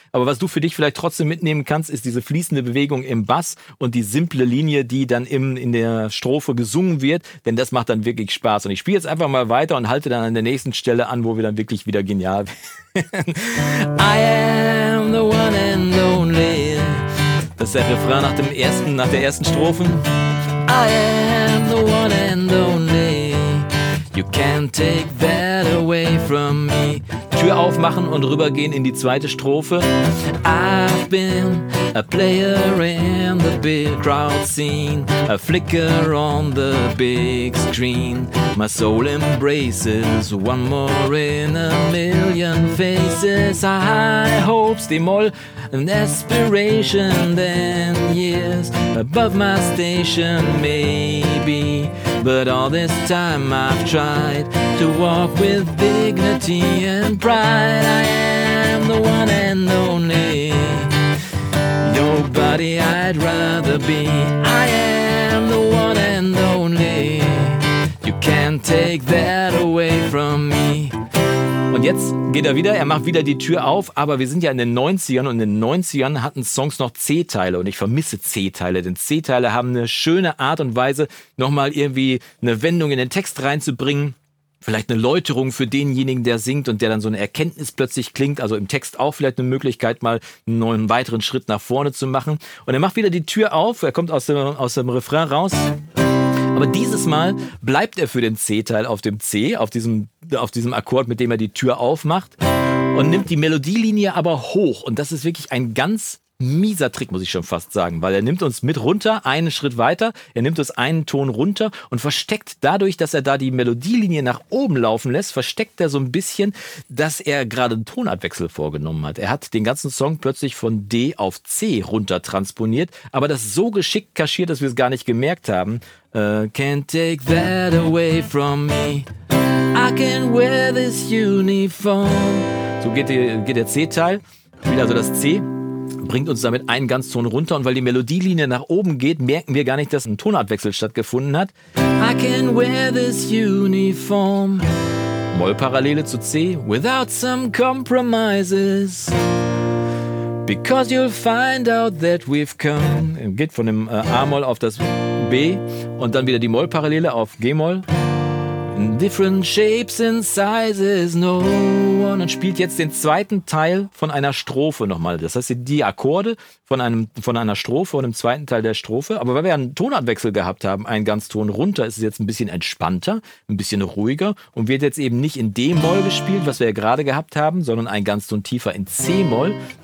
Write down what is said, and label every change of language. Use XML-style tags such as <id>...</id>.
<de>Aber was du für dich vielleicht trotzdem mitnehmen kannst, ist diese fließende Bewegung im Bass und die simple Linie, die dann in der Strophe gesungen wird. Denn das macht dann wirklich Spaß. Und ich spiele jetzt einfach mal weiter und halte dann an der nächsten Stelle an, wo wir dann wirklich wieder genial werden.</de> <en>I am the one and only.</en> <de>Das ist der Refrain nach der ersten Strophe.</de> <en>I am the one and only. You can't take that away from me.</en> <de>Tür aufmachen und rübergehen in die zweite Strophe.</de> <en>I've been a player in the big crowd scene. A flicker on the big screen. My soul embraces one more in a million faces. High hopes,</en> <de>die Moll.</de> <en>An aspiration then, yes, above my station maybe. But all this time I've tried to walk with dignity and pride. I am the one and only. Nobody I'd rather be. I am the one and only. You can't. can't take that away from me.</en> <de>Und jetzt geht er wieder, er macht wieder die Tür auf, aber wir sind ja in den 90ern und in den 90ern hatten Songs noch C-Teile und ich vermisse C-Teile, denn C-Teile haben eine schöne Art und Weise, nochmal irgendwie eine Wendung in den Text reinzubringen. Vielleicht eine Läuterung für denjenigen, der singt und der dann so eine Erkenntnis plötzlich klingt. Also im Text auch vielleicht eine Möglichkeit, mal einen neuen weiteren Schritt nach vorne zu machen. Und er macht wieder die Tür auf, er kommt aus dem Refrain raus. Aber dieses Mal bleibt er für den C-Teil auf dem C, auf diesem Akkord, mit dem er die Tür aufmacht. Und nimmt die Melodielinie aber hoch. Und das ist wirklich ein ganz mieser Trick, muss ich schon fast sagen, weil er nimmt uns mit runter, einen Schritt weiter, er nimmt uns einen Ton runter und versteckt dadurch, dass er da die Melodielinie nach oben laufen lässt, versteckt er so ein bisschen, dass er gerade einen Tonabwechsel vorgenommen hat. Er hat den ganzen Song plötzlich von D auf C runter transponiert, aber das so geschickt kaschiert, dass wir es gar nicht gemerkt haben.</de> <en>Can't take that away from me. I can wear this uniform.</en> <de>So geht der C-Teil, wieder so das C. Bringt uns damit einen ganzen Ton runter und weil die Melodielinie nach oben geht, merken wir gar nicht, dass ein Tonartwechsel stattgefunden hat.</de> <en>I can wear this uniform.</en> <de>Mollparallele zu C.</de> <en>Without some compromises. Because you'll find out that we've come.</en> <de>Geht von dem A-Moll auf das B und dann wieder die Mollparallele auf G-Moll.</de> <en>In different shapes and sizes, no one.</en> <de>Und spielt jetzt den zweiten Teil von einer Strophe nochmal. Das heißt, die Akkorde von einer Strophe und im zweiten Teil der Strophe. Aber weil wir einen Tonartwechsel gehabt haben, einen ganzen Ton runter, ist es jetzt ein bisschen entspannter, ein bisschen ruhiger und wird jetzt eben nicht in D-Moll gespielt, was wir ja gerade gehabt haben, sondern einen ganzen Ton tiefer in C-Moll.</de>